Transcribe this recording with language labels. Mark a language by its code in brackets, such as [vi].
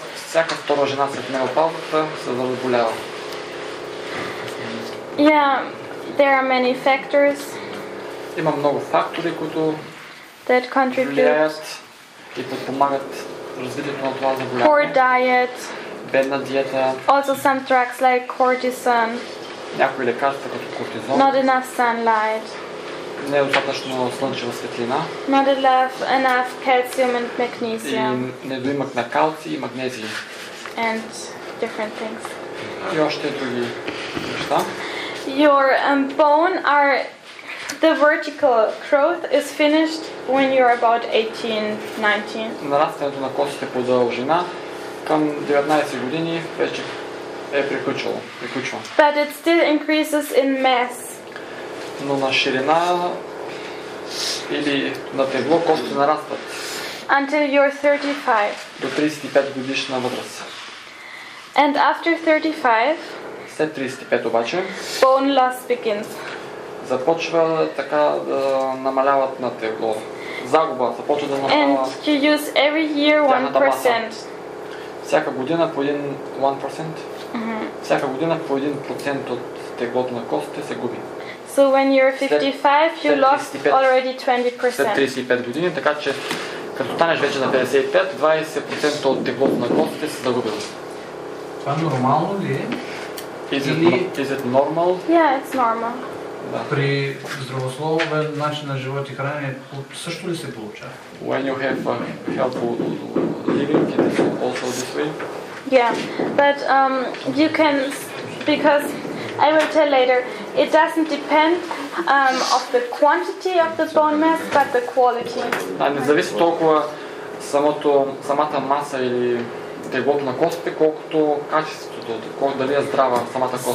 [bg] Всяка втора жена след менопаузата се заболява. [en] Yeah. There are many factors. [bg] Има много фактори, които [en] that contribute. [bg] И подпомагат развитието на това заболяване. [en] Poor diet. [bg] Бедна диета. [en] Also some drugs like cortisone. [bg] Някои лекарства като кортизон. [en] Not enough sunlight. [bg] Недостатъчно слънчева светлина. [en] Not enough calcium and magnesium. [bg] И недоимък на калций и магнезий. [en] And different things. [bg] И още други неща. [en] Your bone are the vertical growth is finished when you are about 18-19. [bg] Нарастването на костите по дължина към 19 години вече е приключило. [en] But it still increases in mass. [bg] Но на ширина или на тегло костите нарастват. [en] Until you're 35. [bg] До 35 годишна възраст. [en] And after 35 [bg] След 35 обаче [en] bone loss begins. [bg] Започва така да намаляват на тегло. Загуба започва да намалява. [en] And you use every year 1%. [bg] Всяка година по 1%. Всяка година по 1% от теглото на костите се губи. [en] So when you're 55, you lost already 20%. [bg] След 35 години, така че Като станеш вече на 55, 20% от теглото на костите се загубило. Това нормално ли е? [en] Is it normal? Yeah, it's normal. [bg] Да. При здравословен начин на живот и хранене също ли се получава? [en] When you have a healthful living, it is also this way? Yeah, but you can, because I will tell later, it doesn't depend of the quantity of the bone mass, but the quality. [bg] Да, не зависи толкова самата маса или теглото на костите, колкото качеството, дали е здрава самата кост.